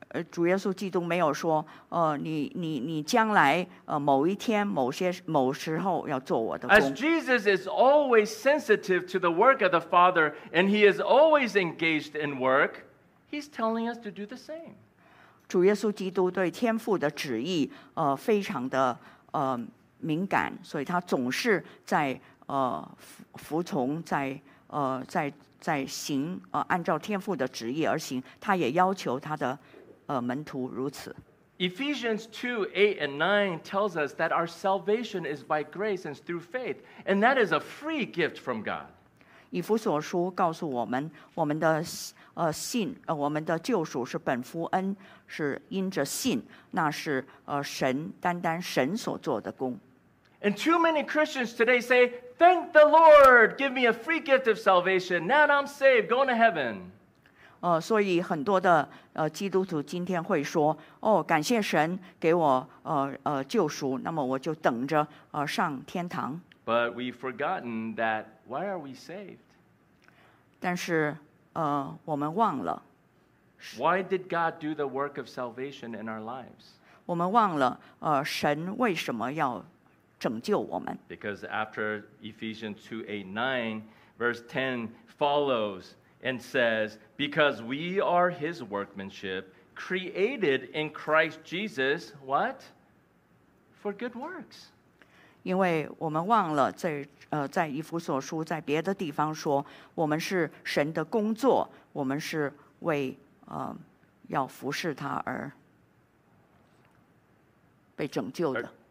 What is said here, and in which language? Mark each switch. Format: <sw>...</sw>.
<zh>主耶稣基督没有说你将来某一天某时候要做我的工。</zh> <en>As Jesus is always sensitive to the work of the Father and he is always engaged in work, he's telling us to do the same.</en> <zh>主耶稣基督对天父的旨意非常的敏感，所以他总是在服从在在行按照天父的旨意而行，他也要求他的门徒如此。</zh> <en>Ephesians 2, 8 and 9 tells us that our salvation is by grace and through faith, and that is a free gift from God.</en> <zh>以弗所书告诉我们，我们的信我们的救赎是本乎恩，是因着信，那是神单单神所做的工。</zh> <en>And too many Christians today say, Thank the Lord, give me a free gift of salvation. Now I'm saved, going to heaven.</en> <zh>所以很多的基督徒今天会说，哦，感谢神给我救赎，那么我就等着上天堂。</zh> <en>But we've forgotten that why are we saved?</en> <zh>但是, 我们忘了,</zh> <en>why did God do the work of salvation in our lives?</en> <zh>我们忘了, 神为什么要拯救我们?</zh> <en>Because after Ephesians 2, 8, 9, verse 10 follows and says, because we are his workmanship, created in Christ Jesus, what? For good works.</en> <zh>因为我们忘了在, 在以弗所书, 在别的地方说, 我们是神的工作, 我们是为, 要服侍他而被拯救的。</zh>